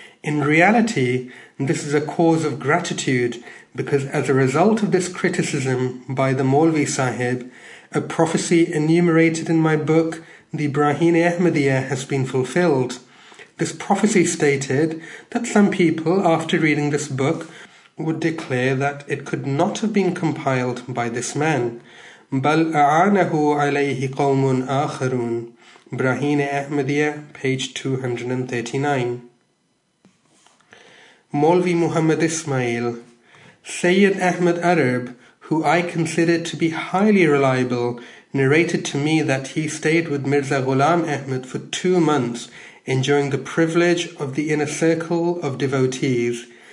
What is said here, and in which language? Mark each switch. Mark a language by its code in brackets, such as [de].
[en] In reality, this is a cause of gratitude, because as a result of this criticism by the Maulvi Sahib, a prophecy enumerated in my book, The Brahini Ahmadiyya, has been fulfilled. This prophecy stated that some people, after reading this book, would declare that it could not have been compiled by this man. [ar] بَلْ أَعَانَهُ عَلَيْهِ قَوْمٌ آخَرُونَ Brahini Ahmadiyya, [en] page 239. Maulvi Muhammad Ismail, Sayyid Ahmed Arab, who I consider to be highly reliable, narrated to me that he stayed with Mirza Ghulam Ahmed for 2 months, enjoying the privilege of the inner circle of devotees.